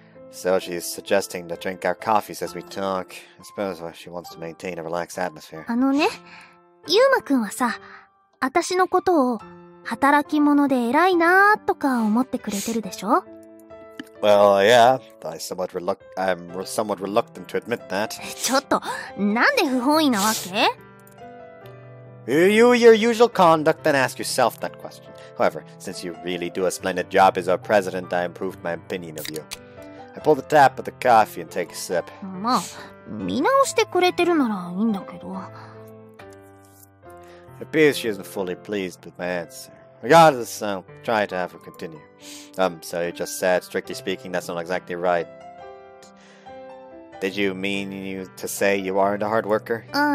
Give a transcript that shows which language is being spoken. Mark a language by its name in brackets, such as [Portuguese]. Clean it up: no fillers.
[English] So she's suggesting to drink our coffees as we talk. I suppose she wants to maintain a relaxed atmosphere. [Japanese] あのね、ユーマ君はさ、私のことを 働き者で偉いなとか思ってくれてるでしょ? [English] Well, yeah, I'm somewhat reluctant to admit that. [Japanese] ちょっと、なんで不本意なわけ? [English] Review your usual conduct and ask yourself that question. However, since you really do a splendid job as our president, I improved my opinion of you. I pull the tap of the coffee and take a sip. [Japanese] まあ、見直してくれてるならいいんだけど。 [English] It appears she isn't fully pleased with my answer. Regardless, I'll try to have her continue. So you just said, strictly speaking, that's not exactly right. Did you mean you to say you aren't a hard worker?